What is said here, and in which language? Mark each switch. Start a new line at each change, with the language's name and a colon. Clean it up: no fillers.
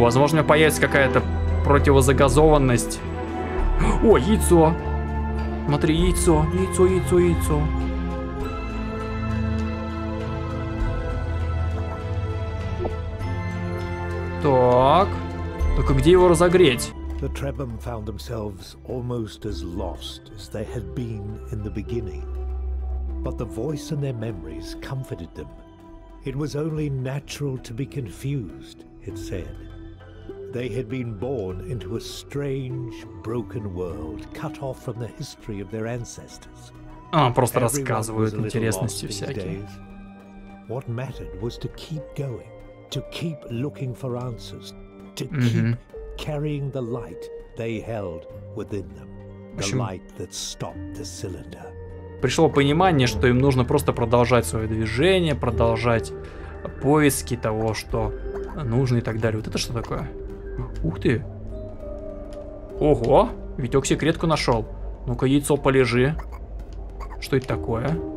Russian: Возможно, у меня появится какая-то противозагазованность. О, яйцо. Смотри, яйцо, яйцо, яйцо, яйцо. Так. Только где его разогреть?
English: The Trebon found themselves almost as lost as they had been in the beginning. But the voice and their memories comforted them. It was only natural to be confused, it said. They had been born into a strange, broken world, cut off from the history of their ancestors.
Russian: Просто рассказывают интересности всякие.
English: What mattered was to keep going, to keep looking for answers, to keep carrying the light they held within them, the light that stopped the cylinder.
Russian: Пришло понимание, что им нужно просто продолжать свое движение, продолжать поиски того, что нужно и так далее. Вот это что такое? Ух ты! Ого! Витек секретку нашел. Ну-ка, яйцо полежи. Что это такое?